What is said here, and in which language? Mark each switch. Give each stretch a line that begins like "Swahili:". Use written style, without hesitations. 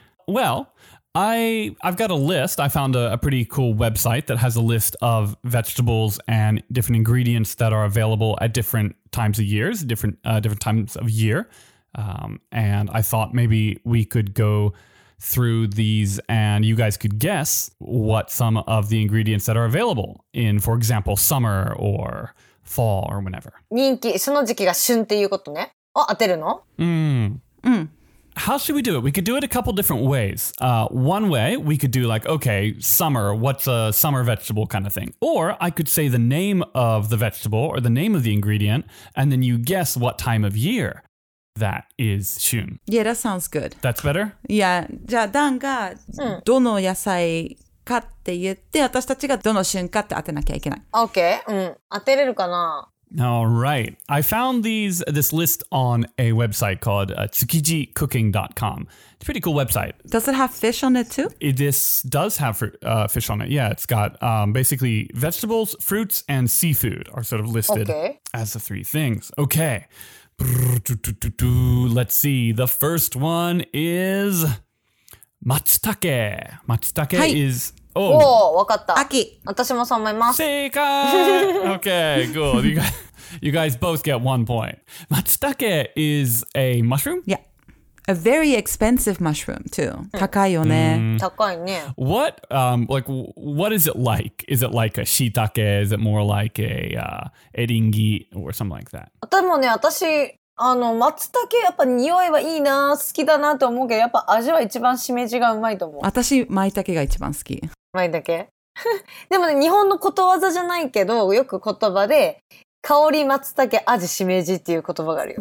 English: Well, I've got a list. I found a pretty cool website that has a list of vegetables and different ingredients that are available at different times of years, different times of year. And I thought maybe we could go through these and you guys could guess what some of the ingredients that are available in, for example, summer or fall or whenever.
Japanese: 人気、その時期が旬っていうことね。を当てるの？うん。うん。
English: How should we do it? We could do it a couple different ways. One way, we could do like, okay, summer, what's a summer vegetable kind of thing? Or I could say the name of the vegetable or the name of the ingredient, and then you guess what time of year that is shun. Yeah, that sounds good. That's better? Yeah.
Japanese: じゃあ、ダンがどの野菜かって言って、私たちがどの旬かって当てなきゃいけない。 Okay. うん。当てれるかな？
English: All right. I found this list on a website called tsukijicooking.com. It's a pretty cool website. Does it have fish on it too? This does have fish on it. Yeah, it's got basically vegetables, fruits, and seafood are sort of listed as the three things. Okay. Let's see. The first one is matsutake. Matsutake is...
Japanese: Oh, おー、わかった。秋。私もそう思います。正解!
English: Okay, cool. You guys both get one point. Matsutake is a mushroom? Yeah. A very expensive mushroom, too.
Japanese: 高いよね。高いね。
English: What, like, what is it like? Is it like a shiitake? Is it more like a eringi or something like that?
Japanese: でもね、私、松茸やっぱ匂いはいいな、好きだなと思うけど、やっぱ味は一番しめじがうまいと思う。私、舞茸が一番好き。舞茸でもね、日本のことわざじゃないけど、よく言葉で、香り、松茸、味、しめじっていう言葉があるよ。